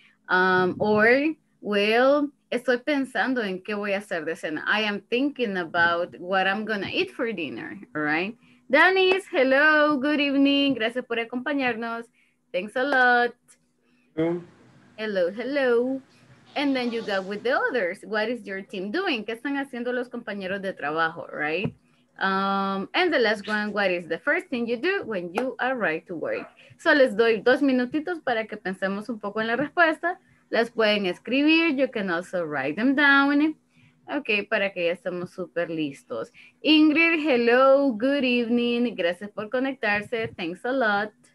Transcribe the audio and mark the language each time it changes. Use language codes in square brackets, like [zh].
[es] Or, well, estoy pensando en qué voy a hacer de cena. [en] I am thinking about what I'm gonna eat for dinner, all right? Dennis, hello, good evening. [es] Gracias por acompañarnos. [en] Thanks a lot. Hello, hello. And then you go with the others. What is your team doing? [es] ¿Qué están haciendo los compañeros de trabajo, right? [en] And the last one, what is the first thing you do when you arrive to work? [es] So les doy dos minutitos para que pensemos un poco en la respuesta. Las pueden escribir. [en] You can also write them down. [es] Okay, para que ya estemos súper listos. Ingrid, [en] hello, good evening. [es] Gracias por conectarse. [en] Thanks a lot.